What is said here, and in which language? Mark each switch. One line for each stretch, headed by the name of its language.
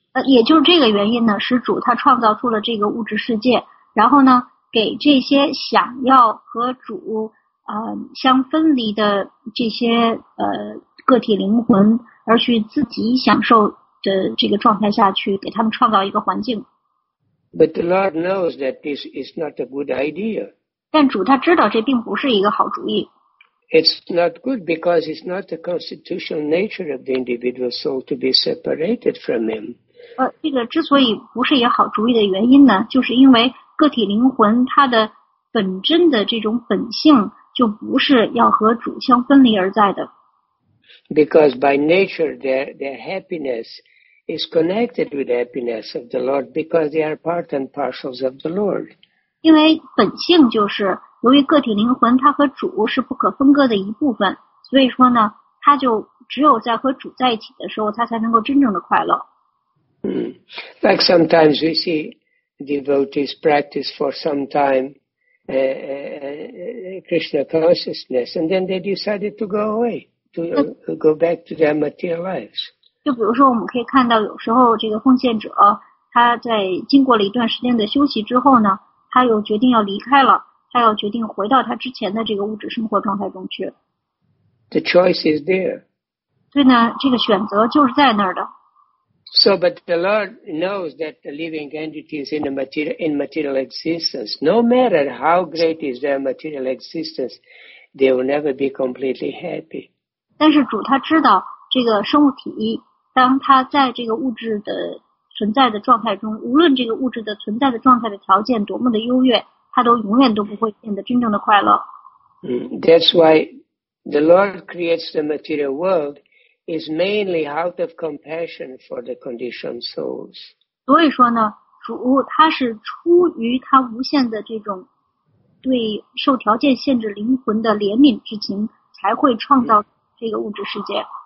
Chinese: 也就是这个原因呢，使主他创造出了这个物质世界，然后呢，给这些想要和主相分离的这些个体灵魂，而去自己享受的这个状态下去，给他们创造一个环境。
English: But the Lord knows that this is not a good idea.
Chinese: 但主他知道这并不是一个好主意。
English: It's not good because it's not the constitutional nature of the individual soul to be separated from him.
Chinese: 这个之所以不是一个好主意的原因呢，就是因为个体灵魂他的本真的这种本性就不是要和主相分离而在的。
English: because by nature their happiness is connected with the happiness of the Lord because they are part and parcels of the Lord.
Chinese: 因为本性就是由于个体灵魂它和主是不可分割的一部分，所以说呢，它就只有在和主在一起的时候，它才能够真正的快乐。
English: Like sometimes we see devotees practice for some time Krishna consciousness, and then they decided to go away, to go back to their material lives.
Chinese: 就比如说，我们可以看到有时候这个奉献者，他在经过了一段时间的休息之后呢，他又决定要离开了，他要决定回到他之前的这个物质生活状态中去。
English: The choice is there.
Chinese: 对呢，这个选择就是在那儿的。
English: So, but the Lord knows that the living entities in material existence, no matter how great is their material existence, they will never be completely happy.
Chinese: 但是主他知道这个生物体，当他在这个物质的存在的状态中，无论这个物质的存在的状态的条件多么的优越，他都永远都不会变得真正的快乐。
English: That's why the Lord creates the material world is mainly out of compassion for the conditioned souls.
Chinese: 所以说呢，主他是出于他无限的这种对受条件限制灵魂的怜悯之情，才会创造这个物质世界。